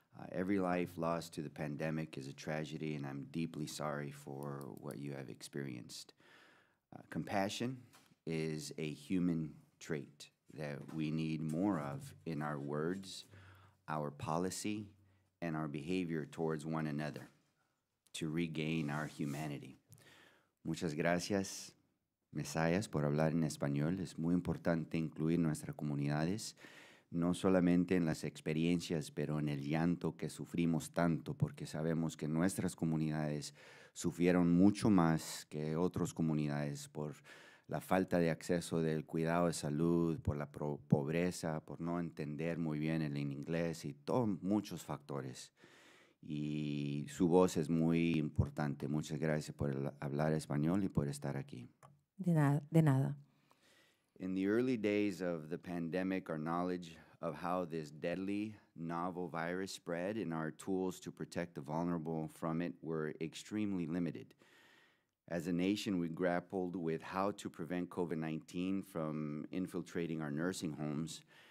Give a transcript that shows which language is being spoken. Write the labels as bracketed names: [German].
[English] Every life lost to the pandemic is a tragedy, and I'm deeply sorry for what you have experienced. Compassion is a human trait that we need more of in our words, our policy, and our behavior towards one another to regain our humanity. [Spanish] Muchas gracias, Ms. Zayas, por hablar en español. Es muy importante incluir nuestras comunidades. no solamente en las experiencias, pero en el llanto que sufrimos tanto, porque sabemos que nuestras comunidades sufrieron mucho más que otras comunidades por la falta de acceso del cuidado de salud, por la pobreza, por no entender muy bien el inglés y muchos factores. Y su voz es muy importante. Muchas gracias por hablar español y por estar aquí. De nada. [English] In the early days of the pandemic, our knowledge of how this deadly novel virus spread and our tools to protect the vulnerable from it were extremely limited. As a nation, we grappled with how to prevent COVID-19 from infiltrating our nursing homes.